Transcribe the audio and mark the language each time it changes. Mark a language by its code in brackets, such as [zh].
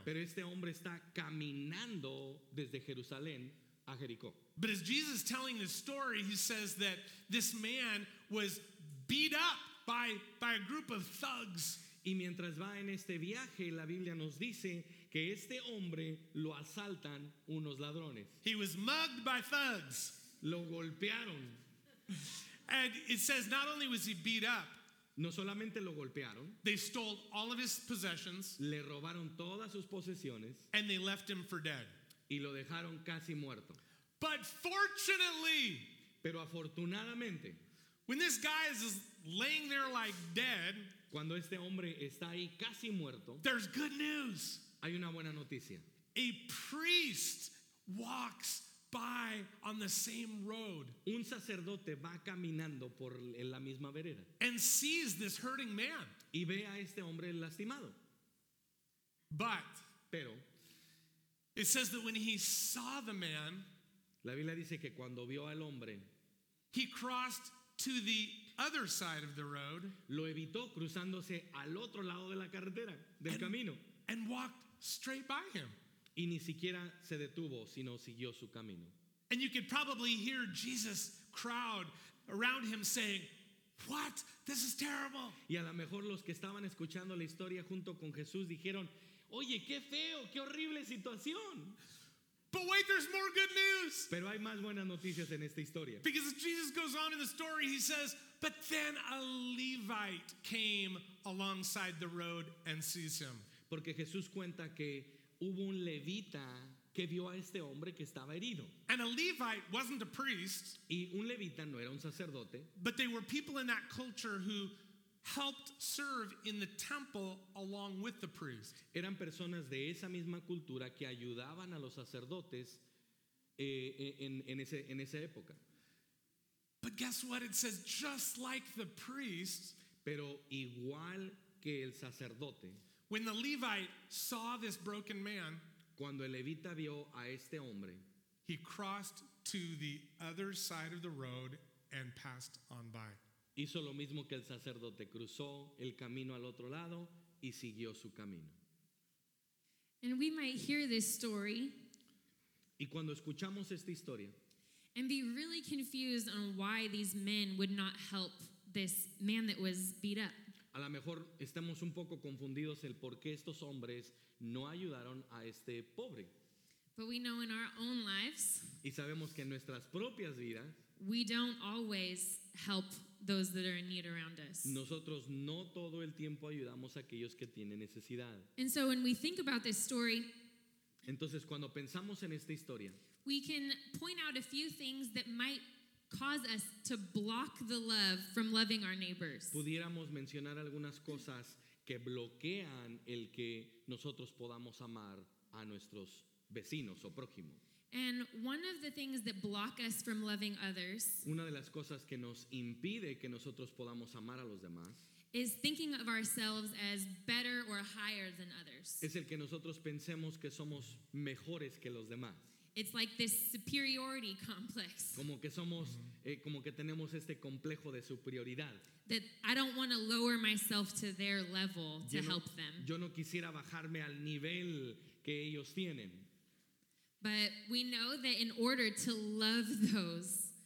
[es] Pero este hombre está caminando desde Jerusalén a Jericó. [en] But as Jesus is telling this story, he says that this man was beat up by a group of thugs. [es] Y mientras va en este viaje, la Biblia nos dice que este hombre lo asaltan unos ladrones. [en] He was mugged by thugs. [es] Lo golpearon. [en] And it says not only was he beat up. [es] No solamente lo golpearon. [en] They stole all of his possessions. [es] Le robaron todas sus posesiones. [en] And they left him for dead. [es] Y lo dejaron casi muerto. [en] But fortunately. [es] Pero afortunadamente. [en] When this guy is laying there like dead. [es] Cuando este hombre está ahí casi muerto, [en] there's good news. [es] Hay una buena noticia. [en] A priest walks by on the same road. [es] Un sacerdote va caminando por la misma vereda. [en] And sees this hurting man. [es] Y ve a este hombre lastimado. [en] But, [es] pero, [en] it says that when he saw the man, [es] la Biblia dice que cuando vio al hombre, [en] he crossed to the other side of the road, [es] lo evitó cruzándose al otro lado de la carretera del camino, [en] and walked straight by him. [es] Y ni siquiera se detuvo, sino siguió su camino. [en] And you could probably hear Jesus crowd around him saying, "What? This is terrible." [es] Y a lo mejor los que estaban escuchando la historia junto con Jesús dijeron, "Oye, qué feo, qué horrible situación." [en] But wait, there's more good news. [es] Pero hay más buenas noticias en esta historia. [en] Because as Jesus goes on in the story, he says, but then a Levite came alongside the road and sees him. [es] Porque Jesús cuenta que hubo un levita que vio a este hombre que estaba herido. [en] And a Levite wasn't a priest. [es] Y un levita no era un sacerdote. [en] But they were people in that culture who helped serve in the temple along with the priest. [es] Eran personas de esa misma cultura que ayudaban a los sacerdotes en esa época. [en] But guess what? It says just like the priest. [es] Pero igual que el sacerdote. [en] When the Levite saw this broken man, [es] cuando el levita vio a este hombre, [en] he crossed to the other side of the road and passed on by. [es] Hizo lo mismo que el sacerdote, cruzó el camino al otro lado y siguió su camino. [en] And we might hear this story. [es] Y cuando escuchamos esta historia, [en] and be really confused on why these men would not help this man that was beat up. [es] A lo mejor estamos un poco confundidos el por qué estos hombres no ayudaron a este pobre. [en] But we know in our own lives, [es] y sabemos que en nuestras propias vidas, [en] we don't always help those that are in need around us. [es] Nosotros no todo el tiempo ayudamos a aquellos que tienen necesidad. [en] And so when we think about this story, [es] entonces cuando pensamos en esta historia, [en] we can point out a few things that might cause us to block the love from loving our neighbors. [es] Pudiéramos mencionar algunas cosas que bloquean el que nosotros podamos amar a nuestros vecinos o prójimo. [en] And one of the things that block us from loving others, [es] una de las cosas que nos impide que nosotros podamos amar a los demás, [en] is thinking of ourselves as better or higher than others. [es] Es el que nosotros pensemos que somos mejores que los demás. [en] It's like this superiority complex. [es] Como que somos, como que tenemos este complejo de superioridad. [en] That I don't want to lower myself to their level to help them. [es] Yo no quisiera bajarme al nivel que ellos tienen. [en] But we know that in order to love those,